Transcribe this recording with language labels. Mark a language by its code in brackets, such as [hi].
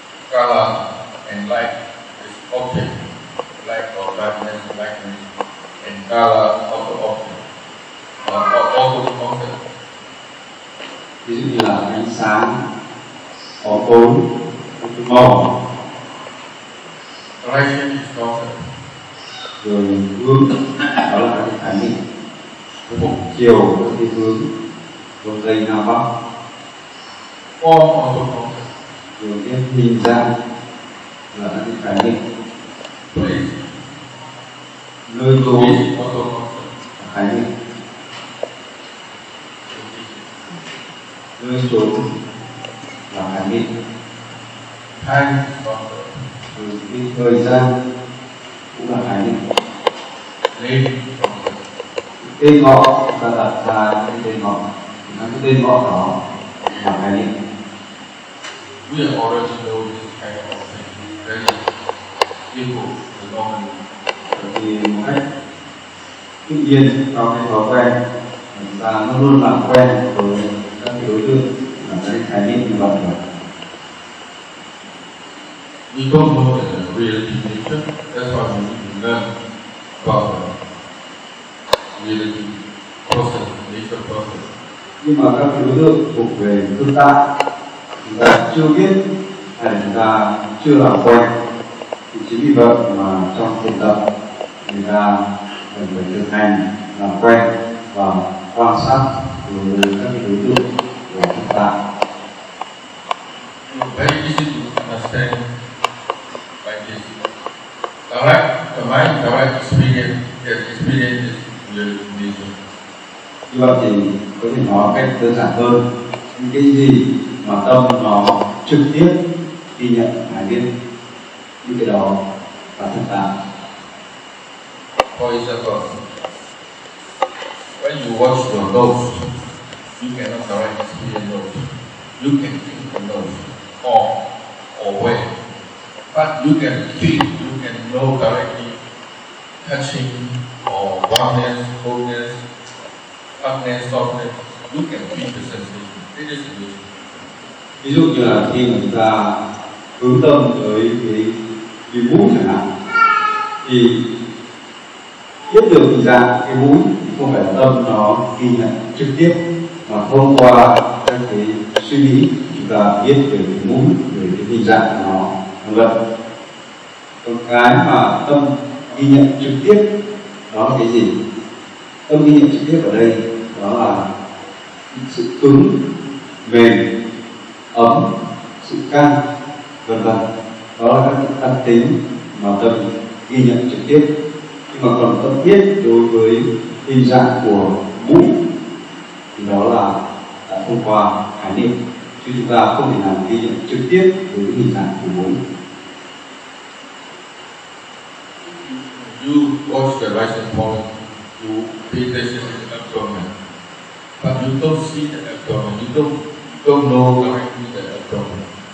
[en] Color and light is object, light or darkness, lightness, and color also object, or also object. [vi] Ví dụ như là ánh sáng, bóng tối, màu. [en] Direction is object. [vi] Rồi hướng, đó là cái khái niệm. Một chiều, một cái hướng, một dây nào bắc. Form also object. Rồi cái hình dạng là các cái khái niệm. Nơi tối là khái niệm. Nơi tối là khái niệm. Thời gian. Rồi thời gian cũng là khái niệm. Lên. Tên ngõ, chúng ta đặt ra cái tên ngõ. Nói cái tên ngõ đó là khái niệm. [en] We are already know this kind of thing. Very simple, the normal. [vi] Bởi vì một cách tự nhiên trong cái thói quen, chúng ta nó luôn làm quen với các cái đối tượng là cái khái niệm như vậy rồi. [en] We don't know the real definition. That's why we need to learn about the real process, nature process. [vi] Nhưng mà các đối tượng thuộc về tương tác, chúng ta chưa biết hay chúng ta chưa làm quen, thì chính vì vậy mà trong thiền tập chúng ta cần phải thực hành làm quen và quan sát đối với các đối tượng của chúng ta. [en] Very easy to understand by this. Direct the mind, direct experience, yes, experience is very easy. [vi] Như vậy thì có thể nói cách đơn giản hơn, những cái gì mà tâm nó trực tiếp ghi nhận hải biên, những cái đó là thực tại. [en] For example, when you watch your nose, you cannot directly see your nose. You can think the nose on or where. But you can feel, you can know directly touching or warmness, coldness, hardness, softness. You can feel the sensation. It is good. [vi] Ví dụ như là khi mà chúng ta hướng tâm tới cái cái mũi chẳng hạn, thì biết được thì ra cái mũi thì không phải là tâm nó ghi nhận trực tiếp, mà thông qua các cái suy nghĩ chúng ta biết về cái mũi, về cái hình dạng của nó, vân vân. Còn cái mà tâm ghi nhận trực tiếp đó là cái gì? Tâm ghi nhận trực tiếp ở đây đó là sự cứng, mềm, ấm, sự căng, vân vân. Đó là các đặc tính mà tâm ghi nhận trực tiếp. Nhưng mà còn tâm biết đối với hình dạng của mũi thì đó là đã thông qua khái niệm, chứ chúng ta không thể nào ghi nhận trực tiếp đối với hình dạng của mũi. [en] You watch the rising point, you pay attention to the abdomen, but you don't see the abdomen, you don't know directly the abdomen.